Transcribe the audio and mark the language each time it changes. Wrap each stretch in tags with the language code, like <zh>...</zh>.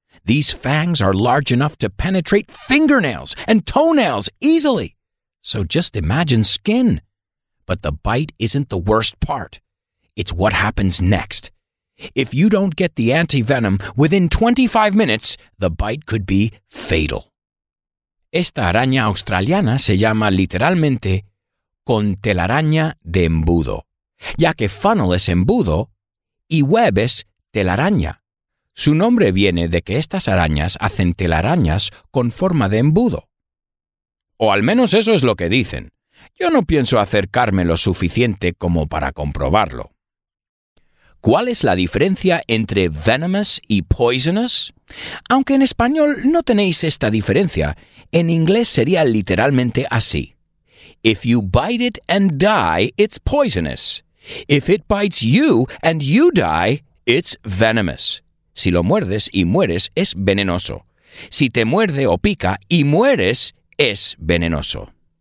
<en>These fangs are large enough to penetrate fingernails and toenails easily. So just imagine skin. But the bite isn't the worst part. It's what happens next. If you don't get the anti-venom within 25 minutes, the bite could be fatal.</en> <es>Esta araña australiana se llama literalmente con telaraña de embudo, ya que funnel es embudo y web es telaraña. Su nombre viene de que estas arañas hacen telarañas con forma de embudo. O al menos eso es lo que dicen. Yo no pienso acercarme lo suficiente como para comprobarlo. ¿Cuál es la diferencia entre venomous y poisonous? Aunque en español no tenéis esta diferencia, en inglés sería literalmente así.</es> <en>If you bite it and die, it's poisonous. If it bites you and you die, it's venomous.</en> <es>Si lo muerdes y mueres, es venenoso. Si te muerde o pica y mueres, es venenoso.</es>